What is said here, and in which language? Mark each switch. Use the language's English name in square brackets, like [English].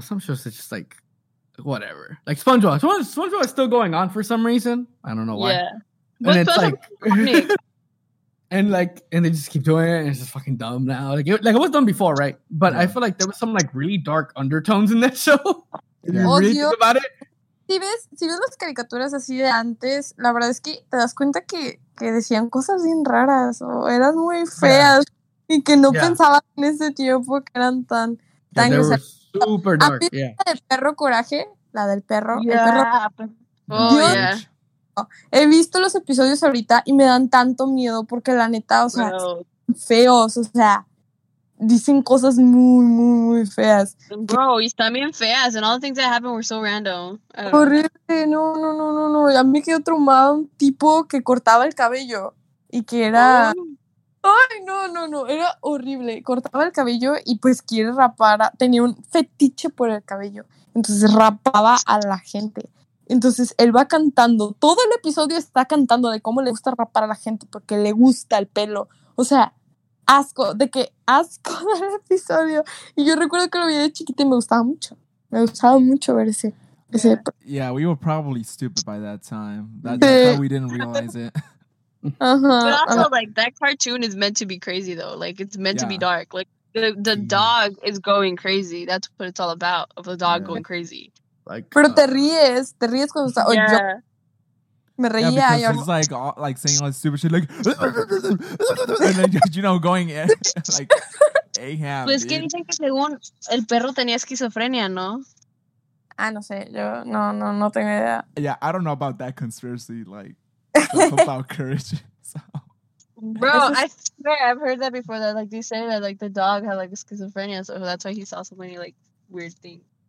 [English] Some shows are just like, whatever. Like SpongeBob. SpongeBob is still going on for some reason. I don't know why. Yeah. And it's like, and they just keep doing it, and it's just fucking dumb now. Like it was dumb before, right? But yeah. I feel like there was some like really dark undertones in that show. Think about it. [Spanish] Si ves las caricaturas así de antes, la verdad es que te das cuenta que decían cosas bien raras o eran muy feas. Yeah. Y que no pensaban en ese tiempo que eran tan [English] super dark. [Spanish] La del perro coraje, la del perro. [English] Yeah, [Spanish] el perro. Pues, [English] Oh, yo yeah. [Spanish] He visto los episodios ahorita y me dan tanto miedo porque la neta, o sea, feos, o sea, dicen cosas muy, muy, muy feas. [English] Bro, [Spanish] y están bien feas, [English] and all the things that happened were so random. [Spanish] Horrible, no. Ya me quedó traumado un tipo que cortaba el cabello y que era... Ay, no, era horrible. Cortaba el cabello y pues quiere rapar, tenía un fetiche por el cabello. Entonces rapaba a la gente. Entonces él va cantando, todo el episodio está cantando de cómo le gusta rapar a la gente porque le gusta el pelo. O sea, asco, de que asco del episodio. Y yo recuerdo que lo vi de chiquita y me gustaba mucho ver ese. [English] Yeah, we were probably stupid by that time. That's how we didn't realize it. Uh-huh. But also, like, that cartoon is meant to be crazy, though. Like, it's meant to be dark. Like, the dog is going crazy. That's what it's all about, of the dog going crazy. [Spanish] Like, pero te ríes cuando está. Oh, yeah. Me reía. [English] Yeah, because she's like, all, like saying all this stupid shit, like, and then, you know, going in, like, Ahab. [Spanish] Pues es que dicen que según el perro tenía esquizofrenia, ¿no? Ah, no sé. Yo no tengo idea. [English] Yeah, I don't know about that conspiracy, like. About courage, so. Bro, I swear I've heard that before. That like they say that like the dog had like schizophrenia, so that's why he saw so many like weird things.